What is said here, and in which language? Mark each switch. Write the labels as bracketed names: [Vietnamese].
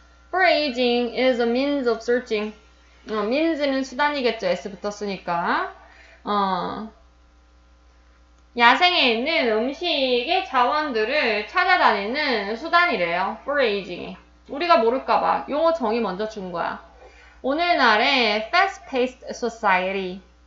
[English] Phrasing is a means of searching. [Korean] means는 수단이겠죠. s부터 쓰니까. 야생에 있는 음식의 자원들을 찾아다니는 수단이래요. Phrasing이. 우리가 모를까봐 용어 정의 먼저 준 거야. 오늘날의 [English] fast-paced society.